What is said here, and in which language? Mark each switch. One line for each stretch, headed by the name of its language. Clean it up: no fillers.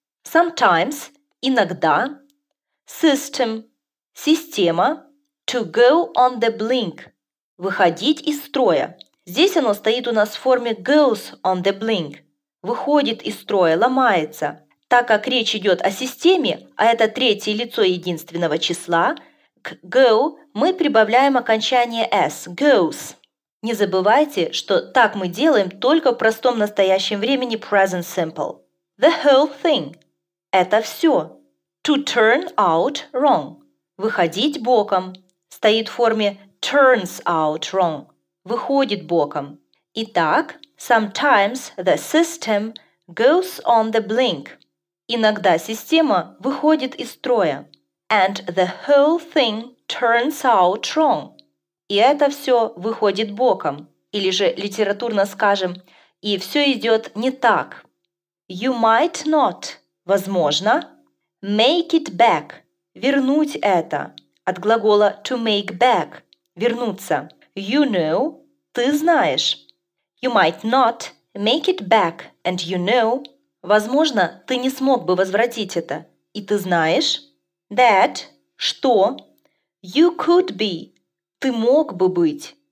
English: Sometimes,
Russian: иногда,
English: system,
Russian: система,
English: to go on the blink,
Russian: выходить из строя. Здесь оно стоит у нас в форме
English: goes on the blink,
Russian: выходит из строя, ломается. Так как речь идет о системе, а это третье лицо единственного числа, к go мы прибавляем окончание s, goes. Не забывайте, что так мы делаем только в простом настоящем времени present simple.
English: The whole thing –
Russian: это все.
English: To turn out wrong –
Russian: выходить боком. Стоит в форме
English: turns out wrong
Russian: – выходит боком.
English: Итак, sometimes the system goes on the blink.
Russian: Иногда система выходит из строя.
English: And the whole thing turns out wrong.
Russian: И это все выходит боком. Или же литературно скажем, и все идет не так.
English: You might not,
Russian: возможно,
English: make it back,
Russian: вернуть это, от глагола
English: to make back,
Russian: вернуться.
English: You know,
Russian: ты знаешь.
English: You might not make it back, and you know,
Russian: возможно, ты не смог бы возвратить это, и ты знаешь.
English: That,
Russian: что,
English: you could be,
Russian: ты мог бы быть.